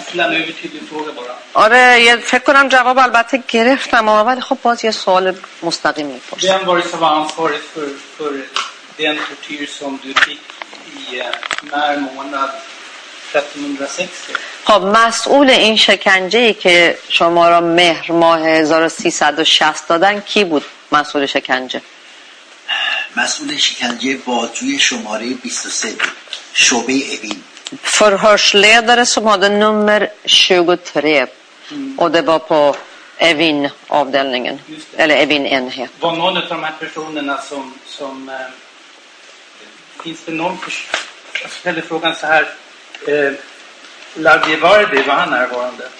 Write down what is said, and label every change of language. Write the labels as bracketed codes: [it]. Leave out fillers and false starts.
[sv] ställa en övertydlig fråga bara. Ja, jag fick honom att svara på allt jag grävde. Men jag hoppas att jag svarade mustadim i först. Vem var det som var ansvarig för den tortyr som du fick i mer månad 1360? [fa] مسئول این شکنجه‌ای که شما را مهر ماه 1360 دادن کی بود مسئول شکنجه؟ مسئول شکنجه باجوی شماره 23 شعبه اوین. [sv] Förhörsledare som hade nummer 23 och det var på Evin avdelningen eller Evin enhet. Var någon av de här personerna som finns det någon jag ställer frågan så här Lajevardi var han närvarande?